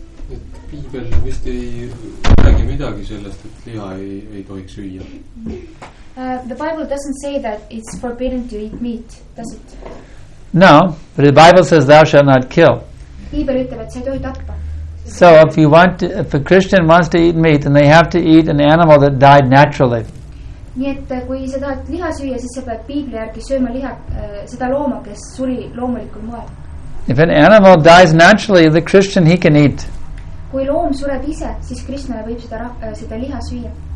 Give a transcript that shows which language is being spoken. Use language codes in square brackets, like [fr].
[et] Et piibel vist ei räägi midagi sellest, et liha ei tohiks süüa. [en] The Bible doesn't say that it's forbidden to eat meat, does it? No, but the Bible says thou shalt not kill. [et] Piibel ütleb, et sa ei tohi tappa. [en] So if you want to, if a Christian wants to eat meat, then they have to eat an animal that died naturally. [et] Nii et kui sa tahad liha süüa, siis sa pead piibli järgi sööma liha, seda looma, kes suri loomulikul moel. [en] If an animal dies naturally, the Christian, he can eat. [et] Kui loom sureb ise, siis Krishna võib seda liha süüa.